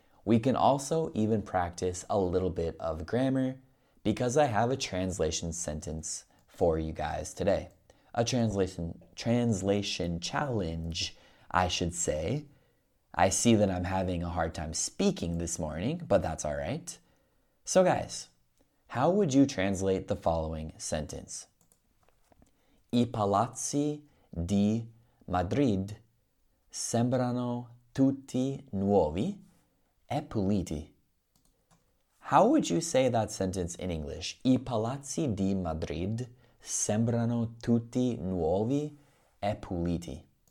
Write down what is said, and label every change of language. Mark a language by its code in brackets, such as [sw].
[en] We can also even practice a little bit of grammar because I have a translation sentence for you guys today. A translation challenge, I should say. I see that I'm having a hard time speaking this morning, but that's all right. So guys, how would you translate the following sentence? [it] I palazzi di Madrid sembrano tutti nuovi e puliti. [en] How would you say that sentence in English? [it] I palazzi di Madrid sembrano tutti nuovi e puliti.